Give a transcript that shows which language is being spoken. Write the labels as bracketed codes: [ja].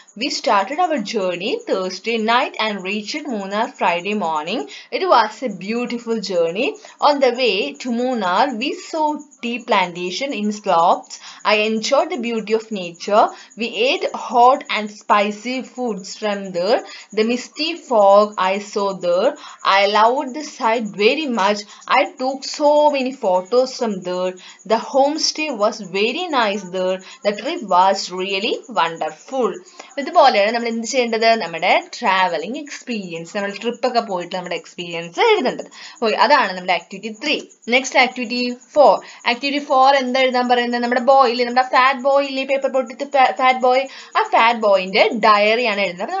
[en] We started our journey Thursday night and reached Munnar Friday morning. It was a beautiful journey. On the way to Munnar we saw tea plantation in slopes. I enjoyed the beauty of nature. We ate hot and spicy foods from there. The misty fog I saw there. I loved the sight very much. I took so many photos from there. The homestay was very nice there. The trip was really wonderful. [ml] ഇതുപോലെ നമ്മൾ എന്ത് ചെയ്യേണ്ടത്? നമ്മുടെ travelling experience, നമ്മൾ trip ഒക്കെ പോയിട്ട് നമ്മുടെ experience എഴുതേണ്ടത്. ഓക്കെ, അതാണ് നമ്മുടെ activity three. Next activity four. Activity four എന്താ എഴുതാൻ പറയുന്നത്? നമ്മുടെ ബോയ് ഇല്ലേ, നമ്മുടെ ഫാറ്റ് ബോയ് ഇല്ലേ, പേപ്പർ പൊട്ടിട്ട് ഫാറ്റ് ബോയ്, ആ ഫാറ്റ് ബോയിന്റെ ഡയറിയാണ് എഴുതുന്നത്.